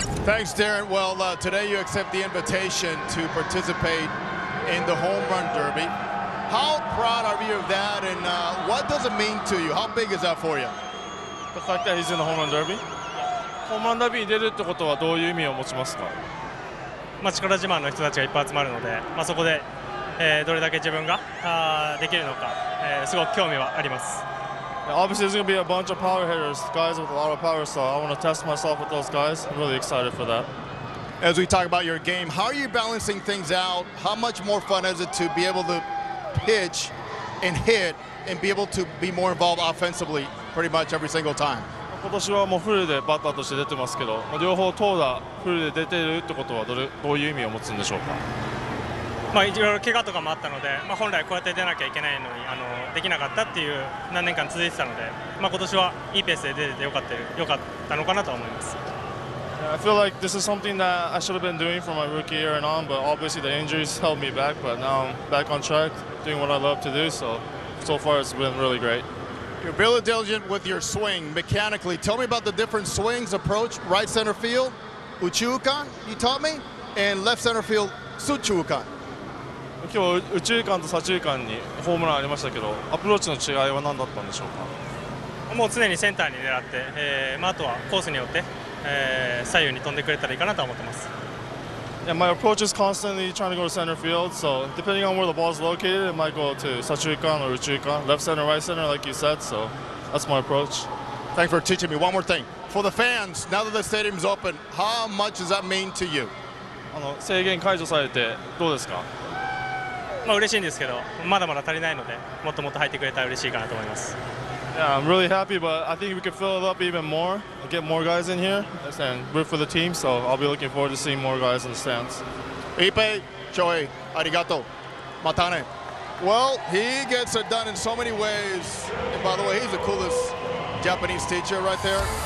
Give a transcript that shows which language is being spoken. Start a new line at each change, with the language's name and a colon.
English: Thanks, Darren. Well, today you accept the invitation to participate in the Home Run Derby. How proud are you of that, and what does it mean to you? How big is that for you? The fact that he's in the Home Run Derby.
Japanese: Home Run Derby に出るってことはどういう意味を持ちますか？まあ、力自慢の人たちがいっぱい集まるので、まあ、そこで、どれだけ自分が、できるのか、すごく興味はあります。
English: Obviously, there's going to be a bunch of power hitters, guys with a lot of power, so I want to test myself with those guys. I'm really excited for that. As we talk about your game, how are you balancing things out? How much more fun is it to be able to pitch and hit and be able to be more involved offensively pretty much every single time?
Japanese: 今年はもうフルでバッターとして出てますけど、両方投打フルで出てるってことはどういう意味を持つんでしょうか？まあ、いろいろ怪我とかもあったので、まあ、本来こうやって出なきゃいけないのにできなかったっていう何年間続いてたので、まあ、今年はいいペースで出ててよかったのかなと思います。
English: I feel like this is something that I should have been doing from my rookie year and on, but obviously the injuries held me back, but now I'm back on track doing what I love to do, so far it's been really great. You're really diligent with your swing mechanically. Tell me about the different swings approach, right center field, Uchuukan, you taught me, and left center field, Suchuukan.
Japanese: 今日右中間と左中間にホームランありましたけど、アプローチの違いは何だったんでしょうか？もう常にセンターに狙って、まあ、あとはコースによって、左右に飛んでくれたらいいかなと思ってます。
English: Yeah, my approach is constantly trying to go to center field, so depending on where the ball is located, it might go to 左中間 or 右中間、left center, right center, like you said, so that's my approach. Thanks for teaching me. One more thing. For the fans, now that the stadium is open, how much does that mean to you?
Japanese: 制限解除されてどうですか？まあ、嬉しいんですけど、まだまだ足りないので、もっともっと入ってくれたら嬉しいかなと思います。
English: Yeah, I'm really happy, but I think we can fill it up even more. I'll get more guys in here and root for the team, so I'll be looking forward to seeing more guys in the stands.
Japanese: Ipe, Choi, arigato. Matane.
English: Well, he gets it done in so many ways. And by the way, he's the coolest Japanese teacher right there.